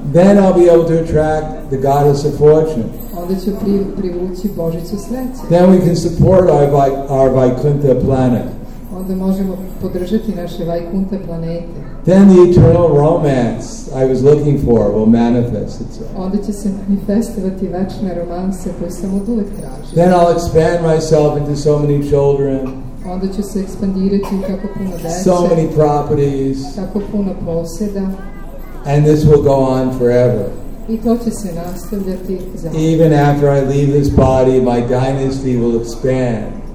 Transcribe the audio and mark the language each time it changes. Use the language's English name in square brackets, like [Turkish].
[English] Then I'll be able to attract the goddess of fortune. [Serbian] Onda ću privući Božicu sreće. [English] Then we can support our Vaikuntha planet. [Serbian] Onda možemo podržati naše Vaikuntha planete. [English] Then the eternal romance I was looking for will manifest itself. [Serbian] Onda će se manifestovati večna romansa koju sam od uvek tražio. [English] Then I'll expand myself into so many children. [Serbian] Onda ću se ekspandirati u tako puno dece. [English] So many properties. [Serbian] Tako puno poseda. [English] And this will go on forever. [Serbian] I to će se nastavljati za. [English] Even after I leave this body, my dynasty will expand.